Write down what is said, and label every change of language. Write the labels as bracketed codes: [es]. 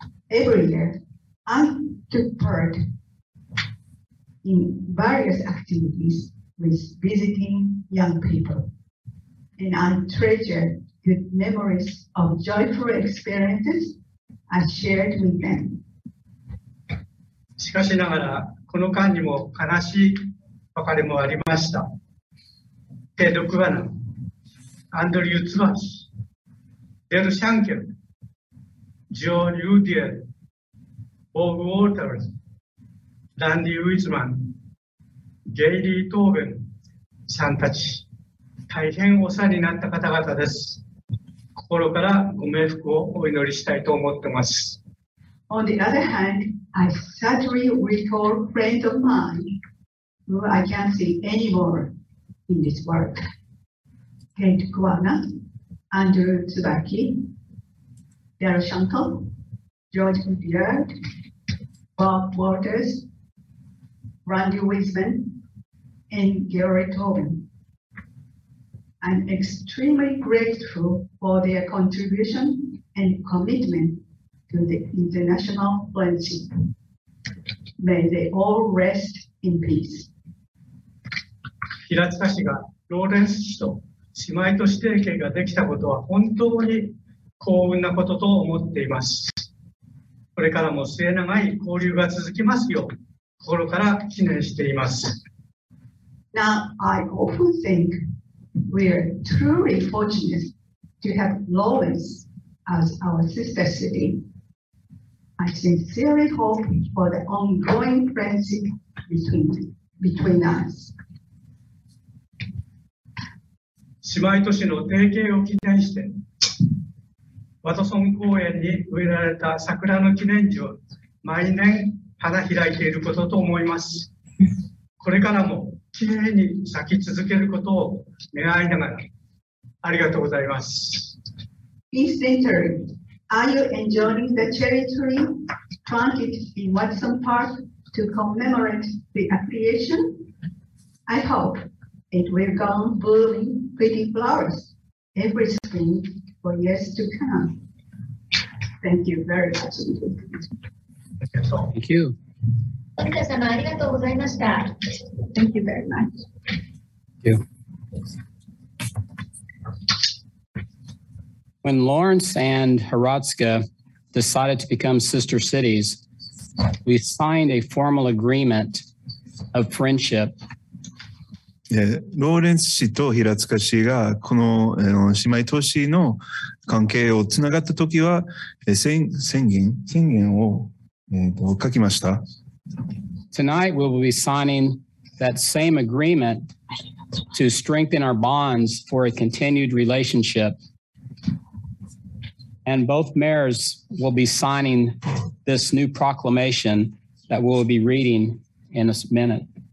[en] Every year, I took partin various activities with visiting young people. And I treasure good memories of joyful experiences I shared with them. [ja] しかしながら、この間にも悲しい別れもありました。テド・クワナム、アンドリュー・ツバシ、デル・シャンケル、ジョー・ユーディエル、オーグ・ウォーターズ、ランディ・ウィズマン、ゲイリー・トーベンさんたち、大変お世話になった方々です。心からご冥福をお祈りしたいと思ってます。 [en] On the other hand, I sadly recall friends of mine who I can't see anymore in this world. Ted Kwana, Andrew Tsubaki, Daryl Shankle, George Woodyard, Bob Waters, Randy Wiseman,and Gary Tobin. I'm extremely grateful for their contribution and commitment to the international friendship. May they all rest in peace. [ja] 平塚氏がローレンス氏と姉妹都市提携ができたことは本当に幸運なことと思っています。これからも末永い交流が続きますよう心から祈念しています。 [en] Now, I often think we are truly fortunate to have Lawrence as our sister city. I sincerely hope for the ongoing friendship between us. [ja] 姉妹都市の提携を記念して、ワトソン公園に植えられた桜の記念樹を毎年花開いていることと思います。これからも綺麗に咲き続けることを願いながら、ありがとうございます。 [en] Incidentally, are you enjoying the cherry tree planted in Watson Park to commemorate the affiliation? I hope it will go on blooming pretty flowers every spring for years to come. Thank you very much. Thank you. Thank you very much. Thank you. When Lawrence and Hrotska decided to become sister cities, we signed a formal agreement of friendship. [ja] ローレンス氏と平塚氏がこの姉妹都市の関係をつながったときは宣言を書きました。 [en] Tonight we will be signing that same agreement to strengthen our bonds for a continued relationship. And both mayors will be signing this new proclamation that we'll be reading in a minute.